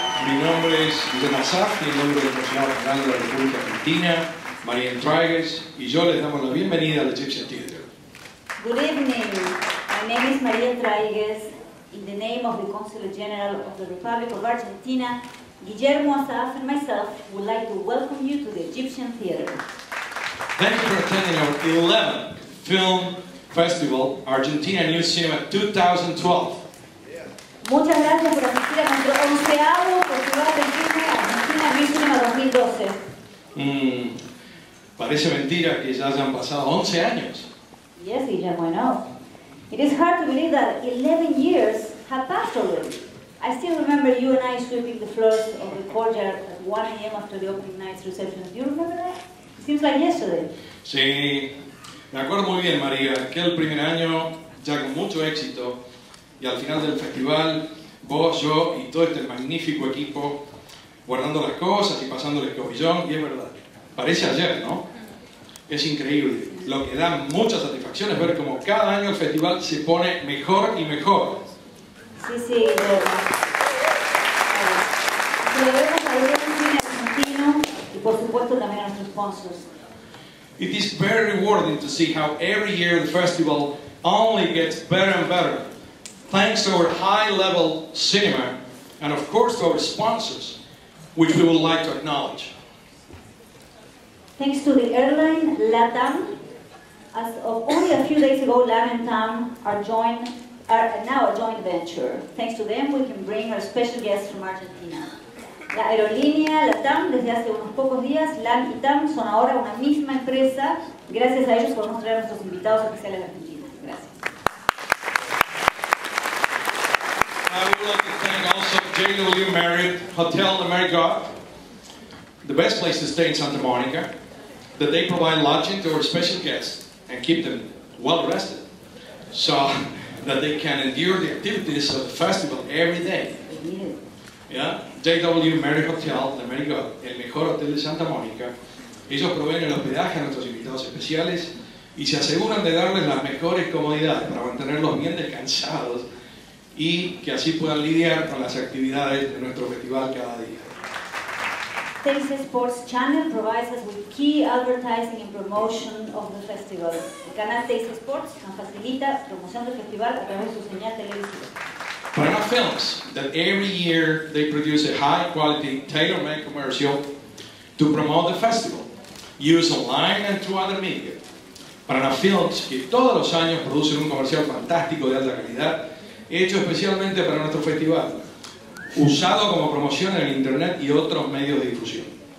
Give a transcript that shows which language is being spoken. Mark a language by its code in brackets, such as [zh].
[es] señores de NASAF y en nombre del Consulado General de la República Argentina, María Entraigues, y yo les damos la bienvenida al Egyptian Theatre. [en] Good evening. My name is María Entraigues. In the name of the Consul General of the Republic of Argentina, Guillermo Asaf and myself would like to welcome you to the Egyptian Theatre. Thank you for attending our 11th Film Festival, Argentina New Cinema 2012. [es] Muchas gracias por asistir a nuestro 11º Festival de Cine Argentina New Cinema 2012. Parece mentira que ya hayan pasado 11 años. [en] Yes, Guillermo, I know. It is hard to believe that 11 years have passed already. I still remember you and I sweeping the floors of the courtyard at 1 a.m. after the opening night's reception. Do you remember that? It seems like yesterday. [es] Sí. Me acuerdo muy bien, María, que el primer año, ya con mucho éxito, y al final del festival, vos, yo y todo este magnífico equipo guardando las cosas y pasando el escobillón, y es verdad, parece ayer, ¿no? Es increíble, lo que da mucha satisfacción es ver cómo cada año el festival se pone mejor y mejor. Sí, sí, de verdad. Celebremos a un cine argentino y por supuesto también a nuestros sponsors. [en] It is very rewarding to see how every year the festival only gets better and better, thanks to our high-level cinema, and of course to our sponsors, which we would like to acknowledge. Thanks to the airline LATAM, as of only a few days ago, LAM and TAM are now a joint venture. Thanks to them, we can bring our special guests from Argentina. [es] La aerolínea LATAM, desde hace unos pocos días, LAM y TAM son ahora una misma empresa. Gracias a ellos podemos traer a nuestros invitados especiales a Argentina. Gracias. [en] I would like to thank also JW Marriott, Hotel America, the best place to stay in Santa Monica, that they provide lodging to our special guests and keep them well rested so that they can endure the activities of the festival every day. Yeah? [es] JW Marriott Hotel America, el mejor hotel de Santa Monica. Ellos proveen el hospedaje a nuestros invitados especiales y se aseguran de darles las mejores comodidades para mantenerlos bien descansados y que así puedan lidiar con las actividades de nuestro festival cada día. [en] Thanks to Sports Channel provides us with key advertising and promotion of the festival. [es] El canal Taste Sports nos facilita promoción del festival a través de su señal televisiva. [en] Panorama Films, that every year they produce a high quality tailor-made commercial to promote the festival, use online and through other media. [es] Panorama Films, que todos los años produce un comercial fantástico de alta calidad, hecho especialmente para nuestro festival, usado como promoción en el internet y otros medios de difusión.